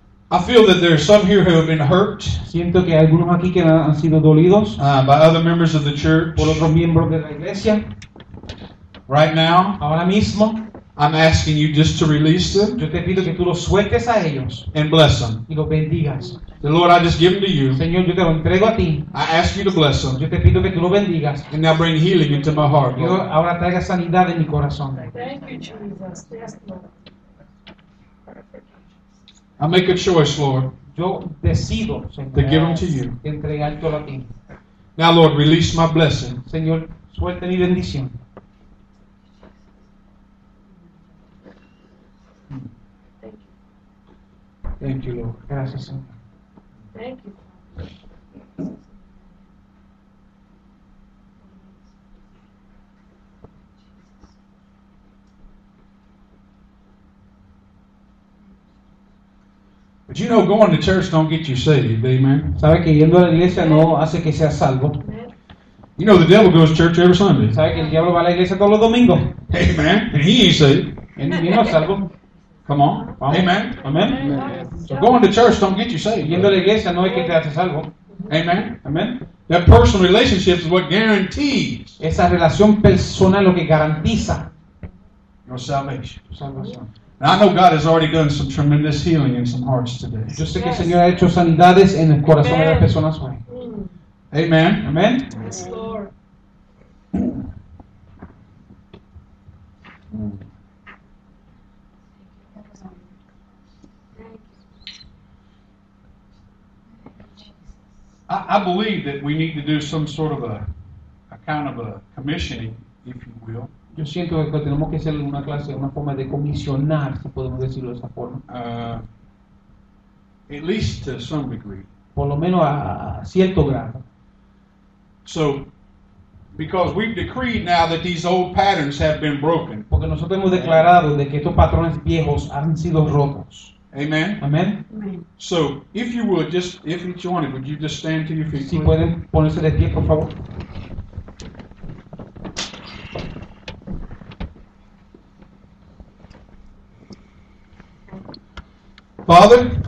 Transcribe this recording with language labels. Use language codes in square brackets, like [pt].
[en] I feel that there are some here who have been hurt. [es] Siento que algunos aquí que han sido dolidos. [en] By other members of the church. [es] Por otros miembros de la iglesia. [en] Right now. [es] Ahora mismo. [en] I'm asking you just to release them. [es] Yo te pido que tú los sueltes a ellos. [en] And bless them. [es] Y los bendigas. [en] The Lord, I just give them to you. [es] Señor, yo te lo entrego a ti. [en] I ask you to bless them. [es] Yo te pido que tú los bendigas. [en] And now bring healing into my heart. [es] Yo ahora traiga sanidad en mi corazón. [en] Thank you, Jesus. I make a choice, Lord. [es] Yo decido, Señor, [en] to give them to you. [es] Entregártelo a ti. [en] Now, Lord, release my blessing. [es] Señor, suelte mi bendición. [en] Thank you, Lord. [es] Gracias, Señor. [en] Thank you. But you know, going to church don't get you saved, amen. [es] Sabe que yendo a la iglesia no hace que seas salvo. [en] You know, the devil goes to church every Sunday. [es] Sabe que el diablo va a la iglesia todos los domingos. [en] Amen. And he ain't saved. [es] Y no es salvo. [en] Come on. Amen. Amen. Amen. So going to church don't get you saved. [es] Yendo a la iglesia no es que te hace salvo. [en] Amen. Amen. That personal relationship is what guarantees. [es] Esa relación personal lo que garantiza. [en] Your salvation. [es] Salvación. [en] I know God has already done some tremendous healing in some hearts today. [es] Yo sé que el Señor ha hecho sanidades en el corazón de las personas hoy. [en] Amen. Amen. Yes, Lord. I believe that we need to do some sort of a kind of a commissioning, if you will. [es] Yo siento que tenemos que hacer una clase, una forma de comisionar, si podemos decirlo de esa forma. [en] At least to some degree. [es] Por lo menos a cierto grado. [en] So, because we've decreed now that these old patterns have been broken. [es] Porque nosotros hemos declarado de que estos patrones viejos han sido rotos. [en] Amen. Amen. So, if you would just, if each one, would you just stand to your feet? [es] Si pueden ponerse de pie, por favor. [en] Father,